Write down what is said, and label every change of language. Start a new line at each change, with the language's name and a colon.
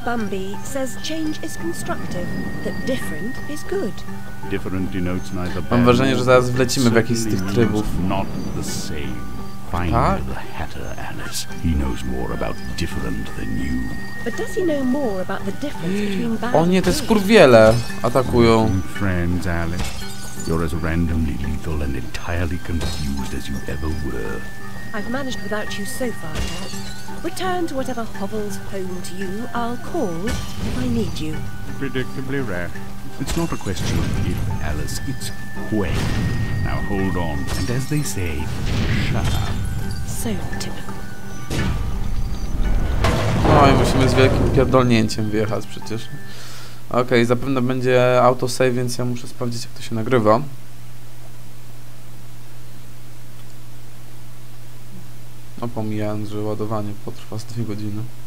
English: Bumby says change is constructive, that different is good. Different denotes neither bad.
Polish: Mam wrażenie, że zaraz wlecimy w jakiś z tych trybów.
English: Not the same. Find the Hatter, Alice. He knows more about different than you. But does he know more about the difference between bad?
Polish: O nie, te skurwiele atakują.
English: Friends, Alice, you're as randomly lethal and entirely confused as you ever were. I've managed without you so far, Cat. Return to whatever hovel's home to you. I'll call if I need you. Predictably rash. It's not a question of if, Alice. It's when. Now hold on, and as they say, shut up. So typical.
Polish: No i musimy z wielkim pierdolnięciem wyjechać przecież. Okej, okay, zapewne będzie autosave, więc ja muszę sprawdzić, jak to się nagrywa. No pomijając, że ładowanie potrwa z 2 godziny.